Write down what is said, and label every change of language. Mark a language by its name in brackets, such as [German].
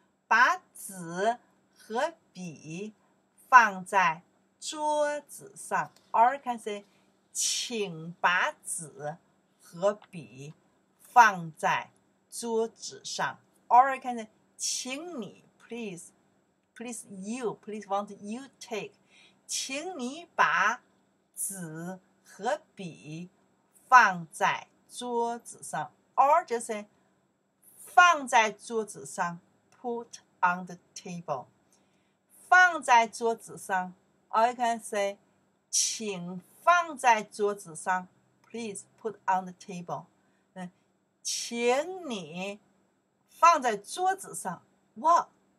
[Chinese] 把纸和笔放在桌子上。 [English] Or you can say, [Chinese] 请把纸和笔放在桌子上。 [English] Or you can say, [Chinese] 请你 [English] please, please you, please want you take. [Chinese] 请你把纸和笔放在桌子上。 [English] Or just say, [Chinese] 放在桌子上 [English] put on the table. [Chinese] 放在桌子上 [English] or you can say, [Chinese] 请放在桌子上 [English] please put on the table. [Chinese] 请你放在桌子上 [English] what?